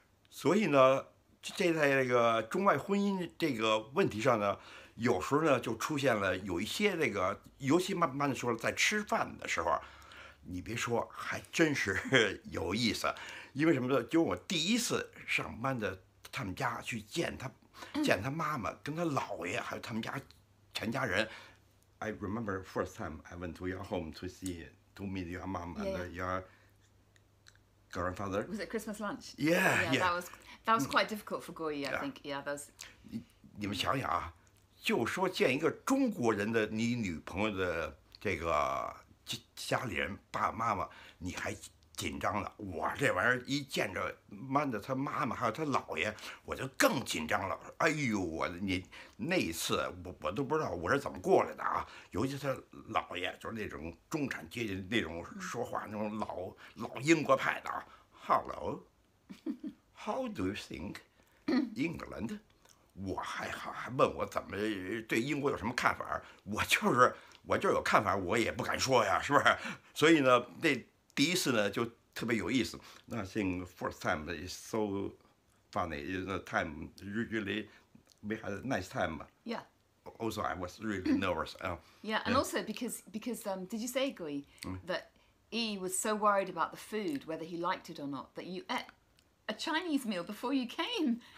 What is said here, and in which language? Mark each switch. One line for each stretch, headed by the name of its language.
Chinese: 所以呢，这在这个中外婚姻这个问题上呢，有时候呢就出现了有一些这个，尤其慢慢的说，在吃饭的时候，你别说，还真是有意思。因为什么呢？就我第一次上班的他们家去见他。见他妈妈跟他姥爷还有他们家全家人。
English: I remember first time I went to your home to see to meet your mom and your grandfather. Was it Christmas lunch? Yeah. That was quite difficult for Guo Yi, I think. Yeah, that was.
Chinese: 你们想想啊，就说见一个中国人的你女朋友的这个家里人爸爸妈妈，你还紧张了。我这玩意儿一见着曼的他妈妈还有他姥爷，我就更紧张了。哎呦，我你那一次我都不知道我是怎么过来的啊！尤其他姥爷就是那种中产阶级那种说话那种老英国派的啊。
English: Hello, how do you think England?
Chinese: 我还问我怎么对英国有什么看法？我就是有看法，我也不敢说呀，是不是？所以呢，那。第一次呢就特别有意思。
English: I think first time is so funny. The time really we had a nice time. Yeah. Also, I was really nervous. Yeah, and also because did you say, Guo Yi, that Yi was so worried about the food, whether he liked it or not, that you ate a Chinese meal before you came.